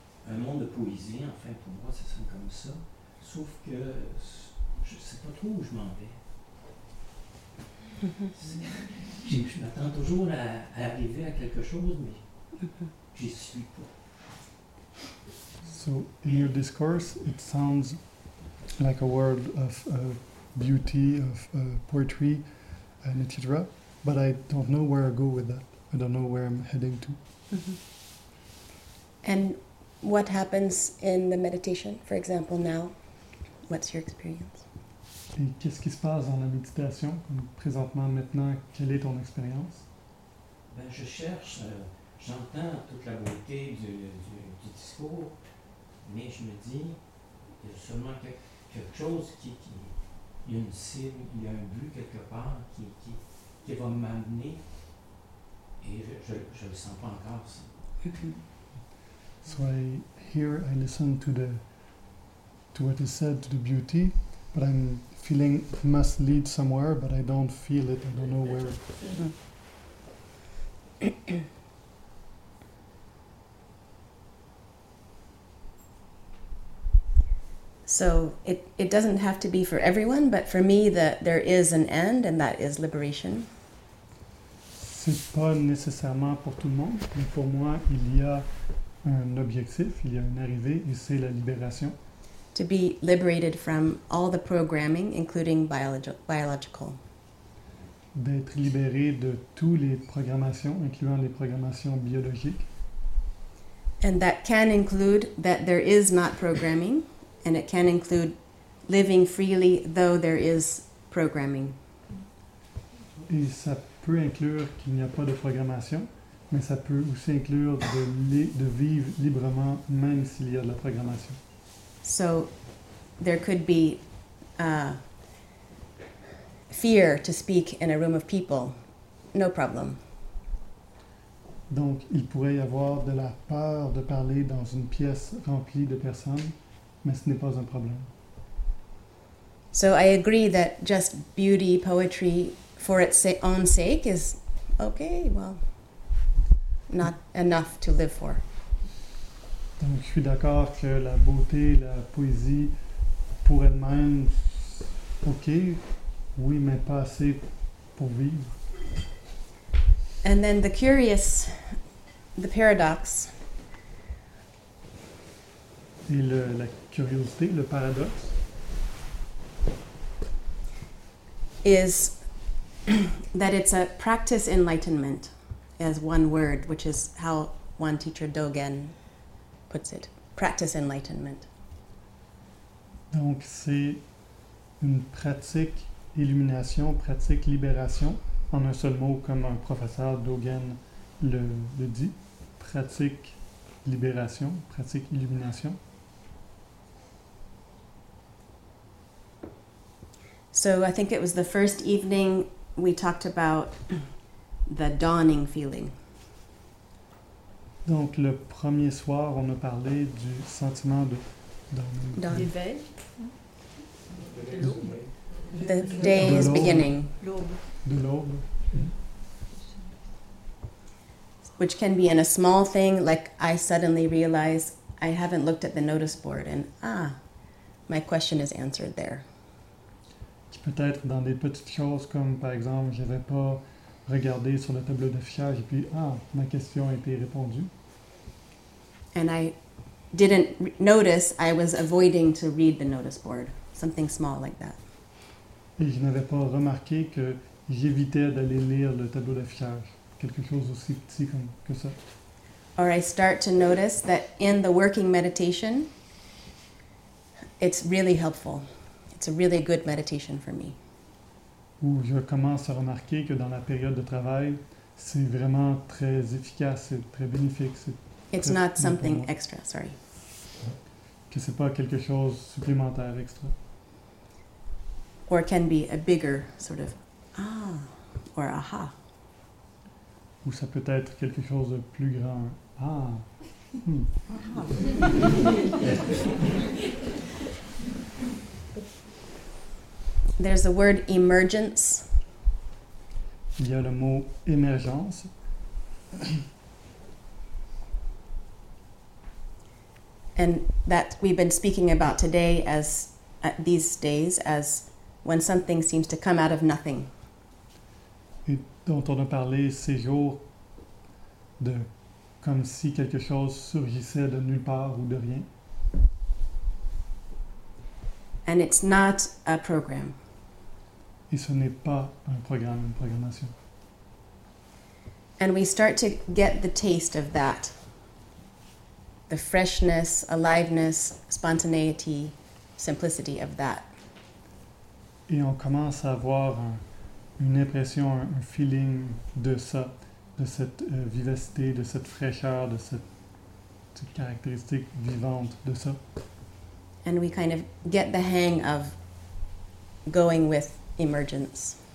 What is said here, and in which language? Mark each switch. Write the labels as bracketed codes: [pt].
[fr] Un monde de poésie, enfin, pour moi, ça sonne comme ça. Sauf que je ne sais pas trop où je m'en vais. Je m'attends toujours à arriver à quelque chose, mais je n'y suis pas. [en] So, in your discourse, it sounds like a world of beauty, of poetry, and etc. But I don't know where I go with that. I don't know where I'm heading to. Mm-hmm. And what happens in the meditation, for example, now? What's your experience? [fr] Et qu'est-ce qui se passe dans la méditation, comme présentement, maintenant, quelle est ton expérience? Ben, je cherche, j'entends toute la beauté du discours, mais je me dis, il y a sûrement quelque chose qui il y a une cible, il y a un but quelque part qui va m'amener, et je le sens pas encore, ça. [en] So I hear, I listen to what is said, to the beauty, but I'm feeling it must lead somewhere, but I don't feel it, I don't know where. So it doesn't have to be for everyone, but for me that there is an end, and that is liberation. [fr] C'est pas nécessairement pour tout le monde, mais pour moi il y a un objectif, il y a une arrivée, et c'est la libération. [en] To be liberated from all the programming, including biological. [fr] D'être libéré de toutes les programmations, incluant les programmations biologiques. [en] And that can include that there is not programming, and it can include living freely though there is programming. [fr] Et ça peut inclure qu'il n'y a pas de programmation, mais ça peut aussi inclure de vivre librement même s'il y a de la programmation. [en] So there could be fear to speak in a room of people. No problem. [fr] Donc il pourrait y avoir de la peur de parler dans une pièce remplie de personnes, mais ce n'est pas un problème. [en] So I agree that just beauty poetry for its own sake is okay, well, not enough to live for. [fr] Donc, je suis d'accord que la beauté, la poésie, pour elle-même, ok, oui, mais pas assez pour vivre. [en] And then the curious, the paradox. [fr] Et la curiosité, le paradoxe. [en] Is that it's a practice enlightenment, as one word, which is how one teacher Dogen puts it, practice enlightenment. [fr] Donc c'est une pratique illumination, pratique libération, en un seul mot comme un professeur Dogen le dit, pratique libération, pratique illumination. [en] So I think it was the first evening we talked about the dawning feeling. [fr] Donc, le premier soir, on a parlé du sentiment de [en] Dawn. L'éveil. The day is beginning. [fr] De l'aube. [en] Which can be in a small thing, like I suddenly realize I haven't looked at the notice board and my question is answered there. [fr] Qui peut être dans des petites choses comme par exemple, je n'avais pas regardé sur le tableau d'affichage et puis ma question a été répondue. [en] And I didn't notice I was avoiding to read the notice board, something small like that. [fr] Et je n'avais pas remarqué que j'évitais d'aller lire le tableau d'affichage. Quelque chose aussi petit comme que ça. [en] Or I start to notice that in the working meditation, it's really helpful. It's a really good meditation for me. [fr] Ou je commence à remarquer que dans la période de travail, c'est vraiment très efficace et très bénéfique. [en] It's not something extra, sorry. [fr] Que c'est pas quelque chose supplémentaire extra. [en] Or can be a bigger sort of or aha. [fr] Ou ça peut être quelque chose de plus grand. [en] There's the word emergence. [fr] Il y a le mot émergence. [en] And that we've been speaking about today as these days as when something seems to come out of nothing. [fr] Et dont on a parlé ces jours de comme si quelque chose surgissait de nulle part ou de rien. [en] And it's not a program. [fr] Et ce n'est pas un programme, une programmation. [en] And we start to get the taste of that. The freshness, aliveness, spontaneity, simplicity of that. [fr] Et on commence à avoir une impression, un feeling de ça. De cette vivacité, de cette fraîcheur, de cette caractéristique vivante de ça. [en] And we kind of get the hang of going with emergence.